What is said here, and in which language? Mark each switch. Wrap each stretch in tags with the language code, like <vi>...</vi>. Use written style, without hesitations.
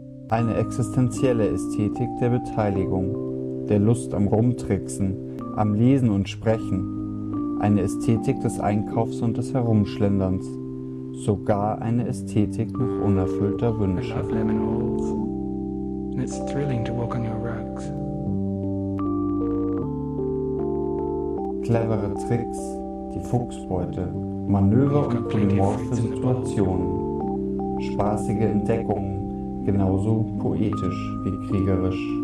<de>Eine existenzielle Ästhetik der Beteiligung, der Lust am Rumtricksen, am Lesen und Sprechen, eine Ästhetik des Einkaufs und des Herumschlenderns, sogar eine Ästhetik nach unerfüllter Wünsche.</de> <en>I love lemon and it's thrilling to walk on your rugs.</en> <de>Clevere Tricks, die Fuchsbeute, Manöver und polymorphe Situationen, spaßige Entdeckungen, genauso poetisch wie kriegerisch.</de>